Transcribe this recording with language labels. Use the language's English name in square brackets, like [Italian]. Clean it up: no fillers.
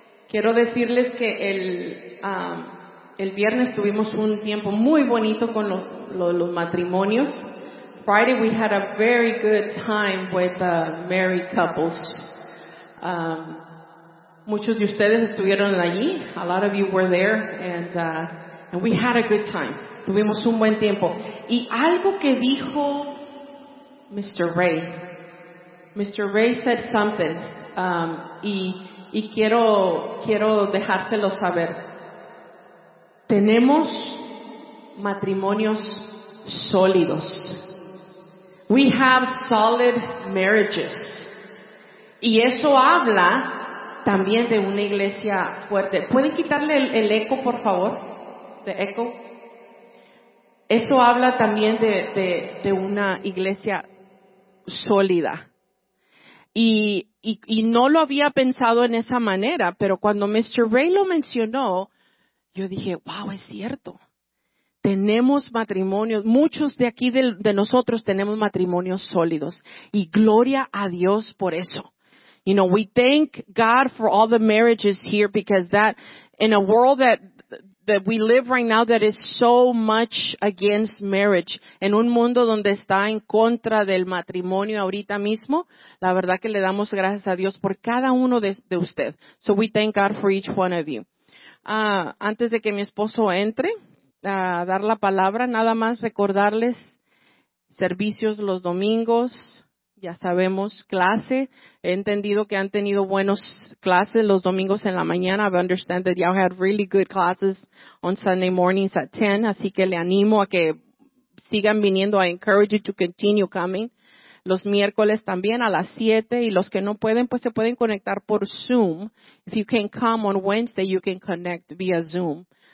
[Spanish] Quiero decirles que el viernes tuvimos un tiempo muy bonito con los matrimonios. [English] Friday we had a very good time with the married couples. [Spanish] Muchos de ustedes estuvieron allí. [English] A lot of you were there and we had a good time. [Spanish] Tuvimos un buen tiempo. Y algo que dijo Mr. Ray [English] said something, [Spanish] y quiero dejárselo saber. Tenemos matrimonios sólidos. [English] We have solid marriages. [Spanish] Y eso habla también de una iglesia fuerte. ¿Pueden quitarle el eco, por favor? [English] The echo. [Spanish] Eso habla también de una iglesia sólida. Y no lo había pensado en esa manera, pero cuando Mr. Ray lo mencionó, yo dije, wow, es cierto. Tenemos matrimonios, muchos de aquí de nosotros tenemos matrimonios sólidos. Y gloria a Dios por eso. [English] You know, we thank God for all the marriages here because that, in a world that we live right now that is so much against marriage. [Spanish] En un mundo donde está en contra del matrimonio ahorita mismo, la verdad que le damos gracias a Dios por cada uno de usted. [English] So we thank God for each one of you. [Spanish] Antes de que mi esposo entre a dar la palabra, nada más recordarles servicios los domingos. Ya sabemos, clase. He entendido que han tenido buenos clases los domingos en la mañana. [English] I understand that y'all had really good classes on Sunday mornings at 10. [Spanish] Así que le animo a que sigan viniendo. [English] I encourage you to continue coming. [Spanish] Los miércoles también a las 7. Y los que no pueden, pues se pueden conectar por Zoom. [English] If you can come on Wednesday, you can connect via Zoom.